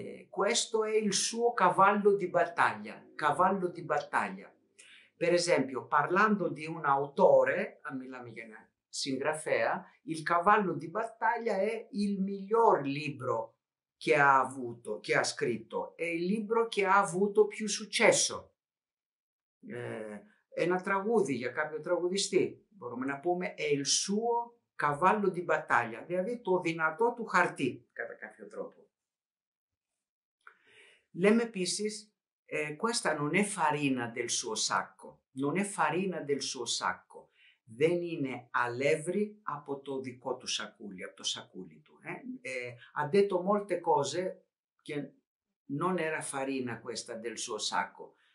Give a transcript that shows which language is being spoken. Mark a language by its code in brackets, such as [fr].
[it] Questo è il suo cavallo di battaglia, cavallo di battaglia. Per esempio, parlando di un autore, a Milano Genè, Singrafea, il cavallo di battaglia è il miglior libro che ha avuto, che ha scritto, è il libro che ha avuto più successo. [el] È una tragudi, για κάποιο τραγουδιστή, μπορούμε να πούμε, [it] è il suo cavallo di battaglia, [el] δηλαδή το δυνατό του χαρτί, κατά κάποιο τρόπο. Λέμε επίσης, [it] questa non è farina del suo sacco, non è farina del suo sacco, [el] δεν είναι αλεύρι από το δικό του σακούλι, από το σακούλι του. [it] Ha detto molte cose che non era farina questa del suo sacco.